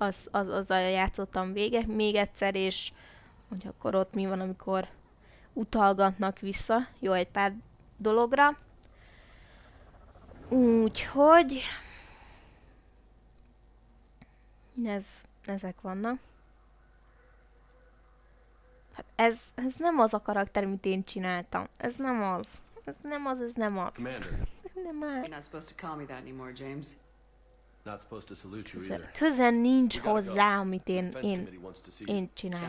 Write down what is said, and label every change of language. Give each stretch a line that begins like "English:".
Hungarian: Azzal játszottam vége még egyszer, és hogy akkor ott mi van, amikor utalgatnak vissza jó egy pár dologra. Úgyhogy ezek vannak. Hát ez nem az a karakter, amit én csináltam. Ez nem az. Ez nem az. Nem már.
English: You're not supposed to call me that anymore, James. Not supposed to salute you either.
Hungarian: Köze nincs hozzá, amit én csináltam.